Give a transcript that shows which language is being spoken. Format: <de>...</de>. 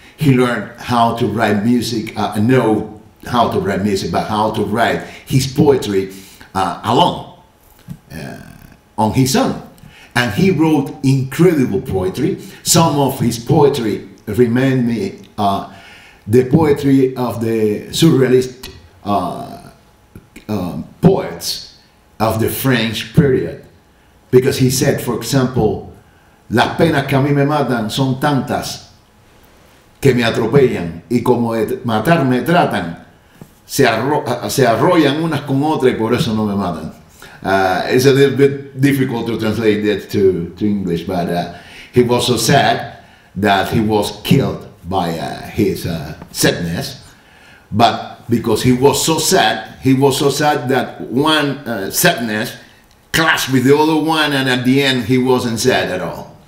<en>He learned how to write music, know how to write music, but how to write his poetry alone on his own. And he wrote incredible poetry. Some of his poetry remind me the poetry of the surrealist poets of the French period. Because he said, for example,</en> <es>las penas que a mí me matan son tantas que me atropellan, y como de matar me tratan, se arrollan unas con otras y por eso no me matan.</es> <en>It's a little bit difficult to translate that to English, but he was so sad that he was killed by his sadness. But because he was so sad, that one sadness clashed with the other one, and at the end he wasn't sad at all.</en>